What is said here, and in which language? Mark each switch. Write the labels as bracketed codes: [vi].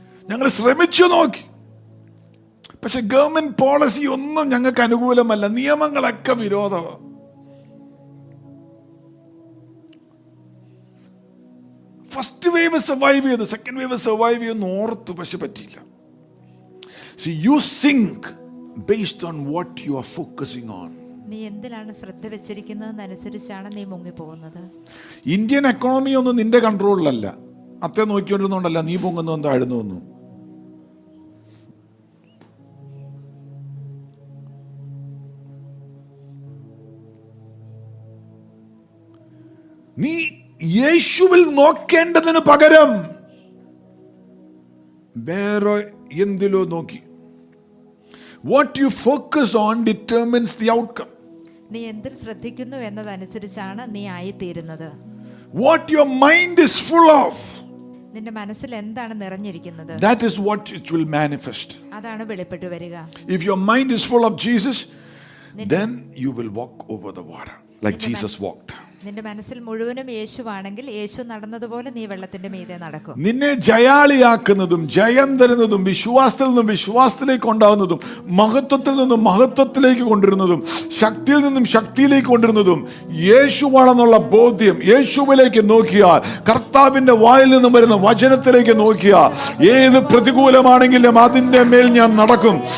[ml] ഞങ്ങൾ ശ്രമിച്ചു നോക്കി, പക്ഷെ ഗവൺമെന്റ് പോളിസി ഒന്നും ഞങ്ങൾക്ക് അനുകൂലമല്ല, നിയമങ്ങളൊക്കെ വിരോധമാ. [en] first wave survive [ml] ചെയ്തു, [en] second wave survive [ml] ചെയ്യുന്നു ഓർത്തു, പക്ഷെ പറ്റിയില്ല. [en] See, you sink based on what you are focusing on. [ml] നീ എന്തിലാണ് ശ്രദ്ധ വെച്ചിരിക്കുന്നതെന്നനുസരിച്ചാണ് നീ മുങ്ങി പോകുന്നത്. ഇന്ത്യൻ എക്കണോമി ഒന്നും നിന്റെ കൺട്രോളിലല്ല, അത്ര നോക്കിക്കൊണ്ടിരുന്നോണ്ടല്ല നീ പൊങ്ങുന്നു എന്തായിരുന്നു ഒന്നും. നീ യേശുവിൽ നോക്കേണ്ടതിന് പകരം വേറെ എന്തിലോ നോക്കി. [en] What you focus on determines the outcome. [ml] നീ എന്തിൽ ശ്രദ്ധിക്കുന്നു എന്നതനുസരിച്ചാണ് നീ ആയി തീരുന്നത്. [en] What your mind is full of. [ml] നിന്റെ മനസ്സിൽ എന്താണ് നിറഞ്ഞിരിക്കുന്നത്? [en] That is what it will manifest. [ml] അതാണ് വെളിപ്പെട്ടു വരിക. [en] If your mind is full of Jesus, then you will walk over the water like Jesus walked. [ml] നിന്റെ മനസ്സിൽ മുഴുവനും യേശുവാണെങ്കിൽ യേശു നടന്നതുപോലെ നീ വെള്ളത്തിന്റെ മീതെ നടക്കും. നിന്നെ ജയാളിയാക്കുന്നതും ജയം തരുന്നതും വിശ്വാസത്തിൽ നിന്നും വിശ്വാസത്തിലേക്ക് കൊണ്ടാകുന്നതും മഹത്വത്തിൽ നിന്നും മഹത്വത്തിലേക്ക് കൊണ്ടിരുന്നതും ശക്തിയിൽ നിന്നും ശക്തിയിലേക്ക് കൊണ്ടിരുന്നതും യേശുവാണെന്നുള്ള ബോധ്യം, യേശുവിലേക്ക് നോക്കിയാൽ, കർത്താവിന്റെ വായിൽ നിന്നും വരുന്ന വചനത്തിലേക്ക് നോക്കിയാൽ, ഏത് പ്രതികൂലമാണെങ്കിലും അതിന്റെ മേൽ ഞാൻ നടക്കും.